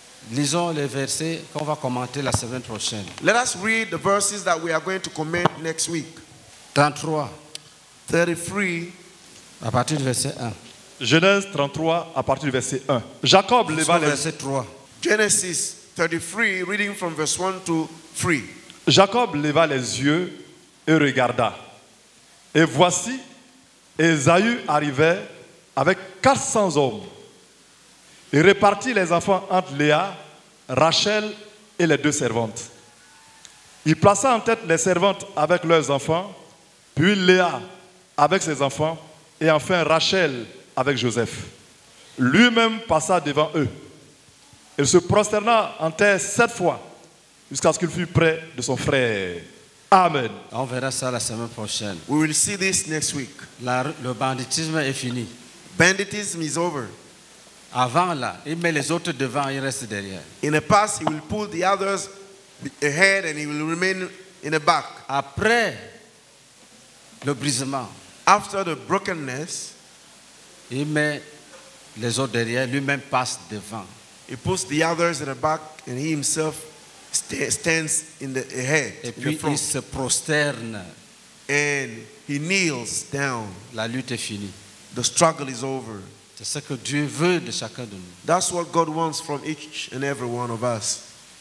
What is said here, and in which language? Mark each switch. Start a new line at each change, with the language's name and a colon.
French: Lisons les versets qu'on va commenter la semaine prochaine.
English: Let us read the verses that we are going to comment next week.
French: 33. À partir du verset 1. Genèse 33, à partir du verset 1. Jacob leva les yeux. Verset 3.
English: Genesis 33, reading from verse 1 to 3.
French: Jacob leva les yeux et regarda. Et voici, Ésaü arrivait avec 400 hommes. Il répartit les enfants entre Léa, Rachel et les deux servantes. Il plaça en tête les servantes avec leurs enfants, puis Léa avec ses enfants, et enfin Rachel avec Joseph. Lui-même passa devant eux. Il se prosterna en terre 7 fois, jusqu'à ce qu'il fût près de son frère. Amen. On verra ça la semaine prochaine.
English: We will see this next week.
French: Le banditisme est fini.
English: Banditism is over.
French: Avant là, il met les autres devant, il reste derrière.
English: In the past, he will pull the others ahead and he will remain in the back.
French: Après le brisement,
English: after the brokenness,
French: il met les autres derrière, lui-même passe devant.
English: He puts the others in the back and he himself stands in the ahead.
French: Et puis il se prosterne.
English: And he kneels down.
French: La lutte est finie.
English: The struggle is over.
French: C'est ce que Dieu veut de chacun de nous.
English: That's what God wants from each and every one of us.